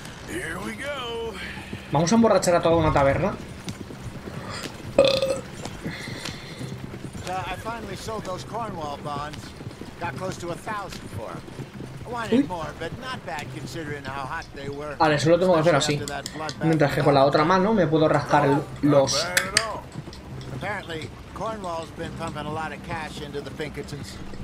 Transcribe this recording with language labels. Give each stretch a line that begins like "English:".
English: Here we go.
Spanish: Vamos a emborrachar a toda una taberna.
English: I finally sold those Cornwall bonds. Got close to 1,000 for them. Wanted more, but not bad considering how hot they were.
Spanish: Vale, solo tengo que hacer así. Mientras que con la otra mano me puedo rascar los.
English: Apparently, Cornwall's been pumping a lot of cash into the Pinkertons.